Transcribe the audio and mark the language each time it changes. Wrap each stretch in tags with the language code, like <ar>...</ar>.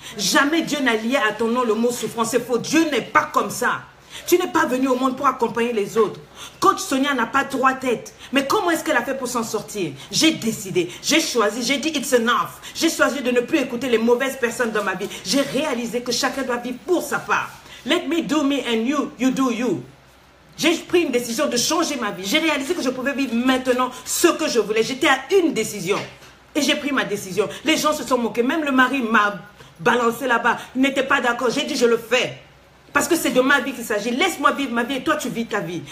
<fr>Jamais Dieu n'a lié à ton nom le mot souffrance. C'est faux. Dieu n'est pas comme ça. Tu n'es pas venu au monde pour accompagner les autres. Coach Sonia n'a pas trois têtes. Mais comment est-ce qu'elle a fait pour s'en sortir? J'ai décidé, j'ai choisi, j'ai dit</fr> <en>it's enough.</en> <fr>J'ai choisi de ne plus écouter les mauvaises personnes dans ma vie. J'ai réalisé que chacun doit vivre pour sa part.</fr> <en>Let me do me and you, you do you.</en> <fr>J'ai pris une décision de changer ma vie. J'ai réalisé que je pouvais vivre maintenant ce que je voulais. J'étais à une décision. Et j'ai pris ma décision. Les gens se sont moqués. Même le mari m'a balancé là-bas. Il n'était pas d'accord. J'ai dit je le fais. Parce que c'est de ma vie qu'il s'agit. Laisse-moi vivre ma vie et toi tu vis ta vie.</fr>